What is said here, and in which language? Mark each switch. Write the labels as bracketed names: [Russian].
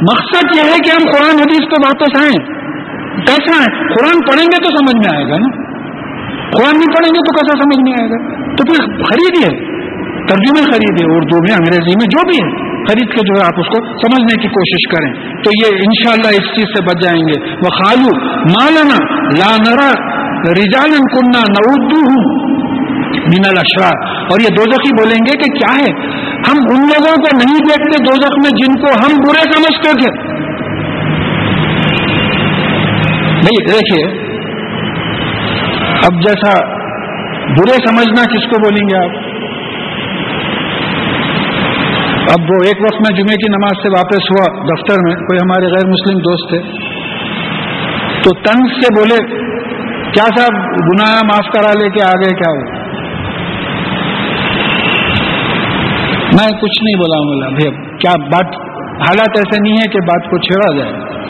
[Urdu] مقصد یہ ہے کہ ہم قرآن حدیث کو واپس آئیں. کیسا ہے؟ قرآن پڑھیں گے تو سمجھ میں آئے گا نا، قرآن نہیں پڑھیں گے تو کیسا سمجھ میں آئے گا؟ تو پھر خریدیے، ترجمے خریدیے، اردو میں، انگریزی میں، جو بھی ہے خرید کے جو ہے آپ اس کو سمجھنے کی کوشش کریں، تو یہ انشاءاللہ اس چیز سے بچ جائیں گے. [Arabic] وخالو مالنا لا نرا رجالا کنا نعودہم من الاشرار. [Urdu] اور یہ دوزخی بولیں گے کہ کیا ہے، ہم ان لوگوں کو نہیں دیکھتے دوزخ میں جن کو ہم برے سمجھتے تھے. نہیں دیکھیے، اب جیسا برے سمجھنا کس کو بولیں گے آپ؟ اب وہ ایک وقت میں جمعے کی نماز سے واپس ہوا دفتر میں، کوئی ہمارے غیر مسلم دوست تھے تو طنز سے بولے، کیا صاحب گناہ معاف کرا لے کے آ گئے کیا ہو؟ میں کچھ نہیں بولا، بولا بھیا کیا بات، حالات ایسے نہیں ہے کہ بات کو چھیڑا جائے.